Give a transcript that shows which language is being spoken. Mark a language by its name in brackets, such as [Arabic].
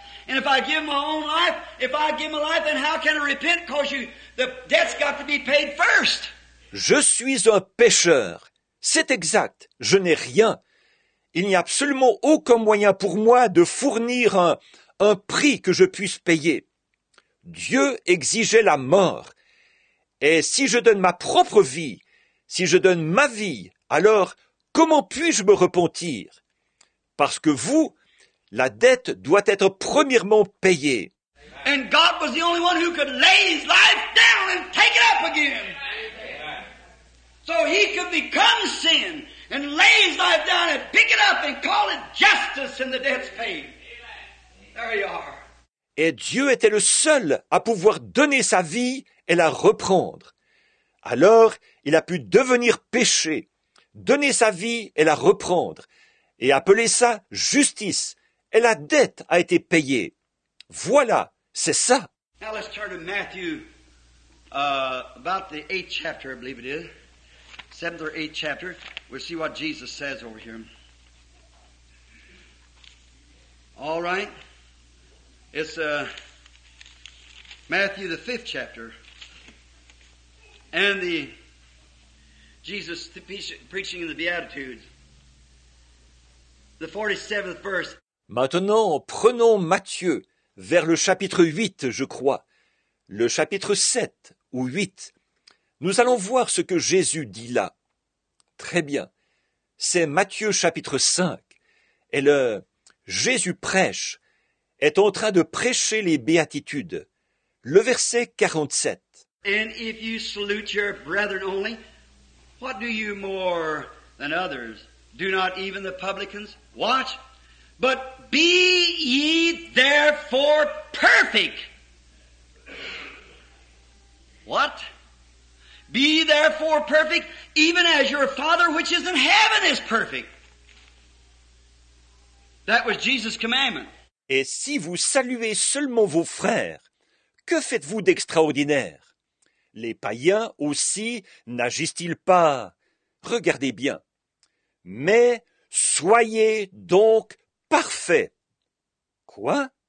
[English] And if I give my own life, if I give my life, then how can I repent? Because the debt's got to be paid first. [French] Je suis un pécheur. C'est exact. Je n'ai rien. Il n'y a absolument aucun moyen pour moi de fournir un prix que je puisse payer. Dieu exigeait la mort. Et si je donne ma propre vie, si je donne ma vie, alors comment puis-je me repentir? Parce que vous, la dette doit être premièrement payée. [English] And God was the only one who could lay his life down and take it up again. Amen. So he could become sin and lay his life down and pick it up and call it justice and the debt's paid. There you are. [French] Et Dieu était le seul à pouvoir donner sa vie et la reprendre. Alors, il a pu devenir péché, donner sa vie et la reprendre, et appeler ça justice, et la dette a été payée. Voilà, c'est ça. [English] Now let's turn to Matthew, about the 8th chapter, I believe it is. 7th or 8th chapter. We'll see what Jesus says over here. All right. It's Matthew, the 5th chapter. And the Jesus preaching in the Beatitudes, the 47th verse. [French] Maintenant, prenons Matthieu vers le chapitre 8, je crois, le chapitre 7 ou 8. Nous allons voir ce que Jésus dit là. Très bien. C'est Matthieu chapitre 5. Et le Jésus prêche est en train de prêcher les Béatitudes. Le verset 47. [English] And if you salute your brethren only, what do you more than others? Do not even the publicans? Watch. But be ye therefore perfect. What? Be therefore perfect, even as your Father which is in heaven is perfect. That was Jesus' commandment. [French] Et si vous saluez seulement vos frères, que faites-vous d'extraordinaire? Les païens aussi n'agissent-ils pas? Regardez bien. Mais soyez donc parfaits. Quoi?